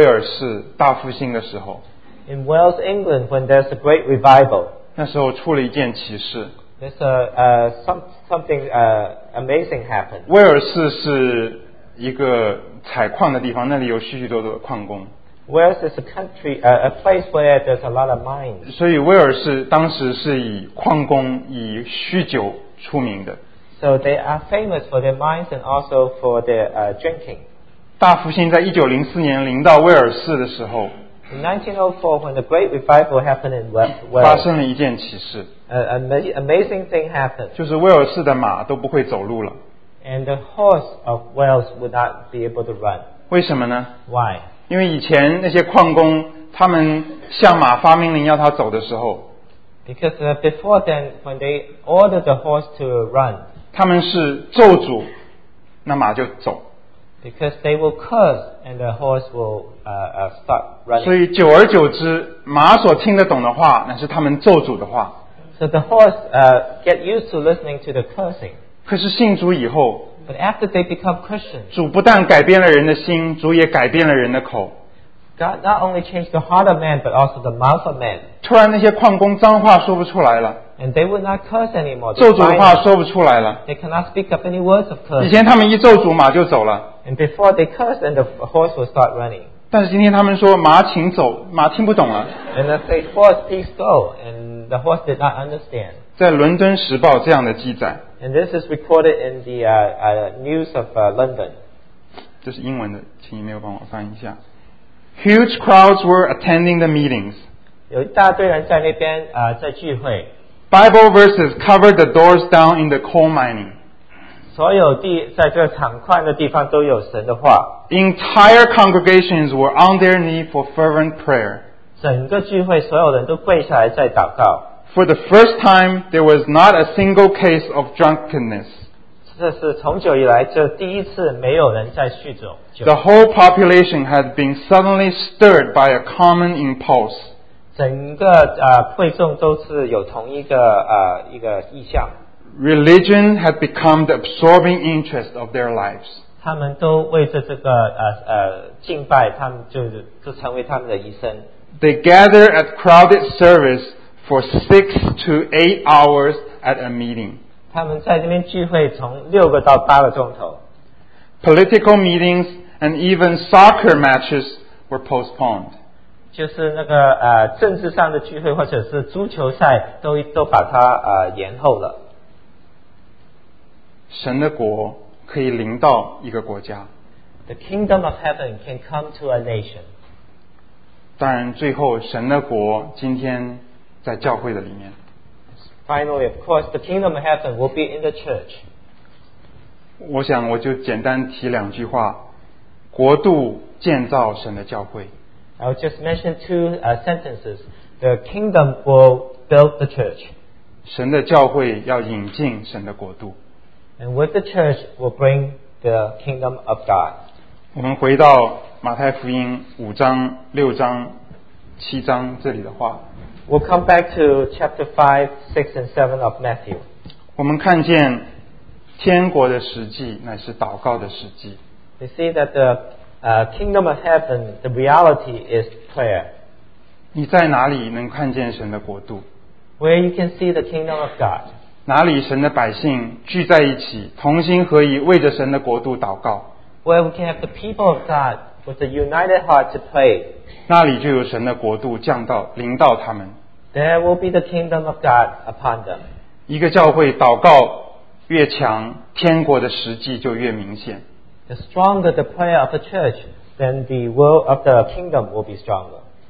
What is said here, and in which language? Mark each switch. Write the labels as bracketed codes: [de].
[zh] 直到在英国威尔士大复兴的时候, [en] in Wales, England, when there's a great revival, [zh] 那时候出了一件奇事, [en] there's something amazing happened. [zh] 威尔士是一个采矿的地方, 那里有许许多多的矿工。 [en] Wales is a place where there's a lot of mines. [zh] 所以威尔士当时是以矿工以酗酒出名的。 [en] So they are famous for their mines and also for their drinking. [zh] 大复兴在1904年临到威尔士的时候, [en] in 1904, when the great revival happened in Wales, [zh] 发生了一件奇事。 [en] An amazing thing happened. [zh] 就是威尔士的马都不会走路了。 [en] And the horse of Wales would not be able to run. [zh] 为什么呢? [en] Why? [zh] 因为以前那些矿工, 他们向马发命令要他走的时候, [en] because before then, when they ordered the horse to run, [zh] 他们是咒诅, 那马就走, [en] because they will curse and the horse will start running. [zh] 所以久而久之, 马所听得懂的话, 乃是他们咒诅的话。 [en] So the horse get used to listening to the cursing. [zh] 可是信主以后, [en] but after they become Christians, [zh] 主不但改变了人的心, 主也改变了人的口。 [en] God not only changed the heart of man, but also the mouth of man. [zh] 突然那些矿工脏话说不出来了, [en] and they would not curse anymore. [zh] 咒诅的话说不出来了, [en] they cannot speak up any words of curse. [zh] 以前他们一咒诅马就走了, [en] and before they curse, and the horse will start running. [zh] 但是今天他们说马请走, 马听不懂了, [en] and they say, horse, please go, and the horse did not understand. [zh] 在伦敦时报这样的记载, [en] and this is recorded in the news of London. [zh] 这是英文的, 请你没有帮我翻译一下。 [en] Huge crowds were attending the meetings. [zh] 有一大堆人在那边, 在聚会。 [en] Bible verses covered the doors down in the coal mining. [zh] 所有地在这厂矿的地方都有神的话。 [en] Entire congregations were on their knee for fervent prayer. [zh] 整个聚会所有人都跪下来在祷告。 [en] For the first time, there was not a single case of drunkenness. [zh] 这是从久以来就第一次没有人在酗酒。 [en] The whole population had been suddenly stirred by a common impulse. [zh] 整个会众都是有同一个意向。 [en] Religion had become the absorbing interest of their lives. [zh] 他们都为着这个敬拜, 他们就成为他们的一生。 [en] They gathered at crowded service for 6 to 8 hours at a meeting. [zh] 他们在这边聚会从6个到8个钟头。 [en] Political meetings and even soccer matches were postponed. [zh] 就是那个, 政治上的聚会或者是足球赛都把它延后了。神的国可以临到一个国家。 [en] The kingdom of heaven can come to a nation. [zh] 当然最后神的国今天在教会的里面。 [en] Finally, of course, the kingdom of heaven will be in the church. [zh] 我想我就简单提两句话。国度建造神的教会。 [en] I'll just mention two sentences. The kingdom will build the church. [zh] 神的教会要引进神的国度。 [en] And with the church will bring the kingdom of God. [zh] 我们回到马太福音五章、六章、七章这里的话。 [en] We'll come back to chapter 5, 6, and 7 of Matthew. [zh] 我们看见天国的实际乃是祷告的实际。 [en] We see that the kingdom of heaven, the reality is prayer. [zh] 你在哪里能看见神的国度？ [en] Where you can see the kingdom of God. [zh] 哪里神的百姓聚在一起，同心合意为着神的国度祷告？ [en] Where we can have the people of God with a united heart to pray. [zh] 那里就有神的国度降到临到他们。 [en] There will be the kingdom of God upon them. [zh] 一个教会祷告越强，天国的实际就越明显。 [en] The stronger the prayer of the church, then the will of the kingdom will be stronger.